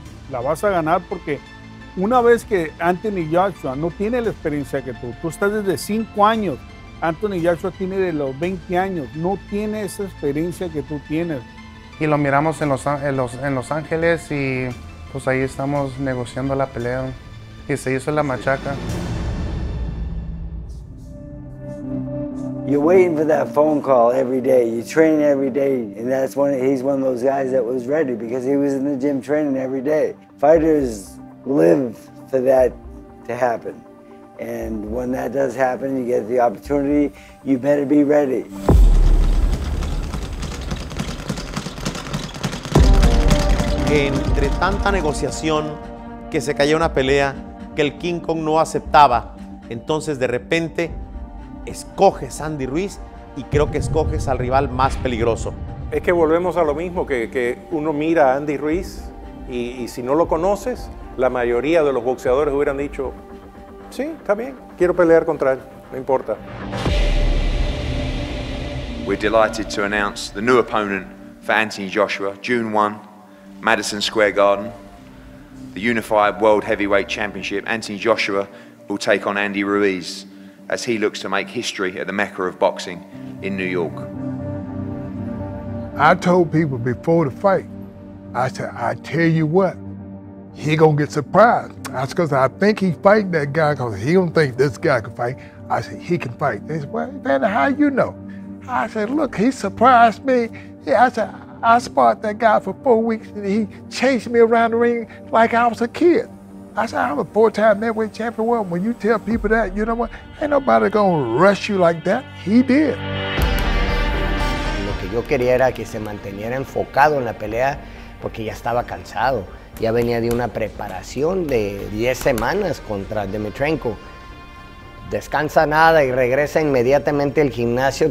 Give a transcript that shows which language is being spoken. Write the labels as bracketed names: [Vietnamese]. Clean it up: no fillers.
[Spanish] La vas a ganar porque una vez que Anthony Joshua no tiene la experiencia que tú estás desde 5 años, Anthony Joshua tiene de los 20 años, no tiene esa experiencia que tú tienes. Y lo miramos en los Ángeles y pues ahí estamos negociando la pelea y se hizo la machaca. [English] You're waiting for that phone call every day. You train every day, and he's one of those guys that was ready because he was in the gym training every day. Fighters live for that to happen. And when that does happen, you get the opportunity, you better be ready. [Spanish] Entre tanta negociación, que se cayó una pelea que el King Kong no aceptaba, entonces de repente escoges a Andy Ruiz y creo que escoges al rival más peligroso. Es que volvemos a lo mismo, que uno mira a Andy Ruiz y si no lo conoces, la mayoría de los boxeadores hubieran dicho, sí, está bien, quiero pelear contra él, no importa. [English] We're delighted to announce the new opponent for Anthony Joshua, June 1, Madison Square Garden, the Unified World Heavyweight Championship. Anthony Joshua will take on Andy Ruiz as he looks to make history at the Mecca of boxing in New York. I told people before the fight, I said, I tell you what, he gonna get surprised. That's because I think he fighting that guy because he don't think this guy can fight. I said, he can fight. They said, well, man, how you know? I said, look, he surprised me. Yeah, I sparred that guy for 4 weeks and he chased me around the ring like I was a kid. I said, I'm a four-time heavyweight champion. Well, when you tell people that, you know what? Ain't nobody gonna rush you like that. He did. [Spanish] Lo que yo quería era que se manteniera enfocado en la pelea porque ya estaba cansado. Ya venía de una preparación de 10 semanas contra Dmytrenko. Descansa nada y regresa inmediatamente al gimnasio.